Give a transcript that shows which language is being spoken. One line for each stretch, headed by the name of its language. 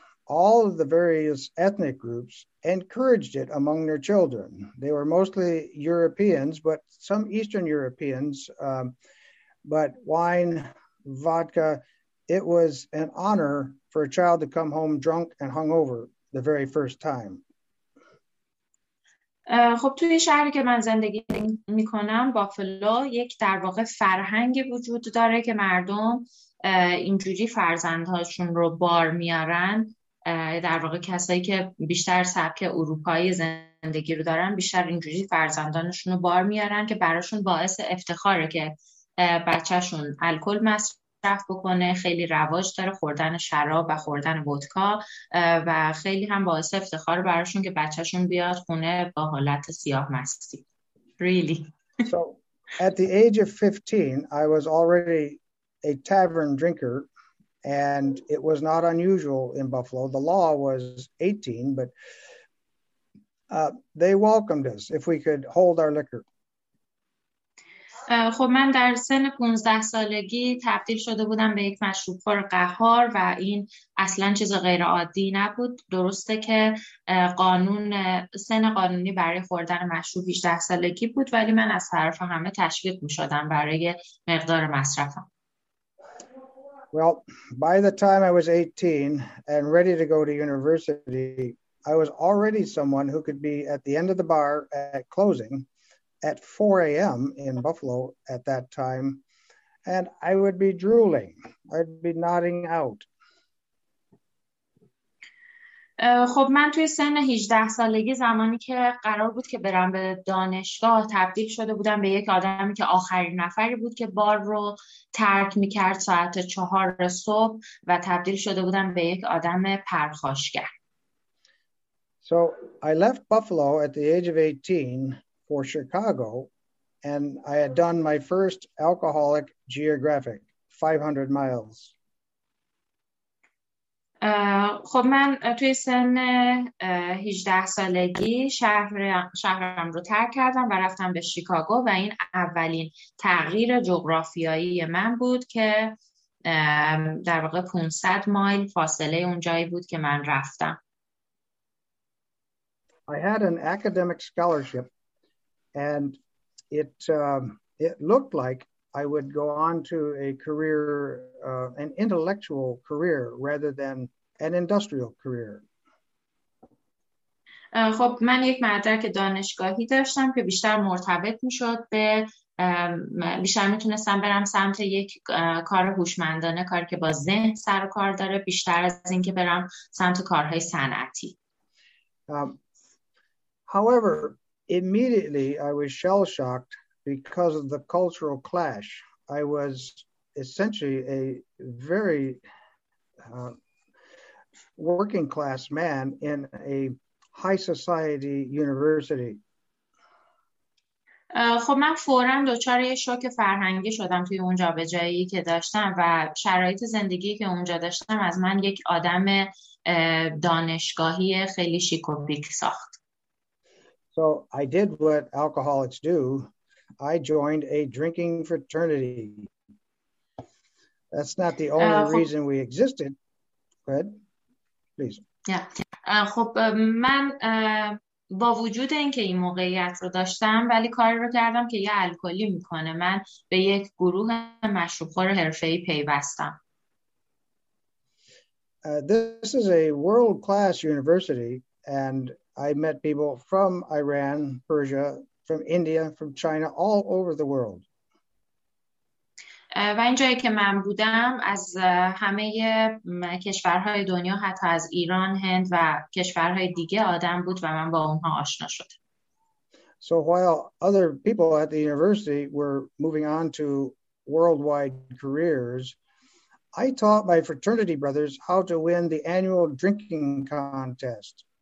English: All of the various ethnic groups encouraged it among their children. They were mostly Europeans, but some Eastern Europeans, but wine, vodka, it was an honor for a child to come home drunk and hungover the very first time.
Persian: خب توی شهری که من زندگی میکنم بافلو یک در واقع فرهنگی وجود داره که مردم اینجوری فرزندهاشون رو بار میارن، در واقع کسایی که بیشتر سبک اروپایی زندگی رو دارن بیشتر اینجوری فرزندانشون رو بار میارن که براشون باعث افتخاره که بچهشون الکل مصرف بکنه. خیلی رواج داره خوردن شراب و خوردن ودکا و خیلی هم باعث افتخار براشون که بچهشون بیاد خونه با حالت سیاه مستی.
English: Really. So at the age of 15 I was already a tavern drinker, and it was not unusual in Buffalo. The law was 18, but they welcomed us if we could hold our liquor.
Persian: خب من در سن 15 سالگی تبدیل شده بودم به یک مشروب خور قهار و این اصلا چیز غیر عادی نبود. درسته که قانون سن قانونی برای خوردن مشروب 18 سالگی بود، ولی من از طرف همه تشویق می شدم برای مقدار مصرفم.
English: Well, by the time I was 18 and ready to go to university, I was already someone who could be at the end of the bar at closing at 4 a.m. in Buffalo at that time, and I would be drooling. I'd be nodding out.
Persian: خب من توی سن 18 سالگی زمانی که قرار بود که برم به دانشگاه تبدیل شده بودم به یک آدمی که آخرین نفری بود که بار رو ترک میکرد ساعت 4 صبح و تبدیل شده بودم به یک آدم پرخاشگر.
English: So I left Buffalo at the age of 18 for Chicago and I had done my first alcoholic geographic 500 miles.
Persian: خب من توی سن 18 سالگی شهرم رو ترک کردم و رفتم به شیکاگو و این اولین تغییر جغرافیایی من بود که در واقع 500 مایل فاصله اون جایی بود که من رفتم.
English: I had an academic scholarship and it looked like I would go on to a career, an intellectual career rather than an industrial career.
Persian: خب من یک مدرک دانشگاهی داشتم که بیشتر مرتبط می‌شد به بیشتر می‌تونستم برم سمت یک کار هوشمندانه، کاری که با ذهن سر و کار داره، بیشتر از اینکه برم سمت کارهای صنعتی.
English: However, immediately I was shell-shocked because of the cultural clash. I was essentially a very working class man in a high society university.
Persian: خب من فورا دچار یه شوک فرهنگی شدم توی اون جابجایی که داشتم و شرایط زندگی که اونجا داشتم از من یک آدم دانشگاهی خیلی شیک و پیک ساخت.
English: So I did what alcoholics do. I joined a drinking fraternity. That's not the only reason we existed. Go ahead, please.
Persian: خب من با وجود اینکه این موقعیت رو داشتم ولی کاری رو کردم که یه الکلی میکنه. من به یک گروه مشروب خور حرفه‌ای پیوستم.
English: This is a world-class university, and I met people from Iran, Persia, from India, from China, all over the world.
Persian: و این جایی که من بودم از همه کشورهای دنیا حتی از ایران، هند و کشورهای دیگه آدم بود و من با اونها آشنا شدم.
English: So while other people at the university were moving on to worldwide careers, I taught my fraternity brothers how to win the annual drinking contest.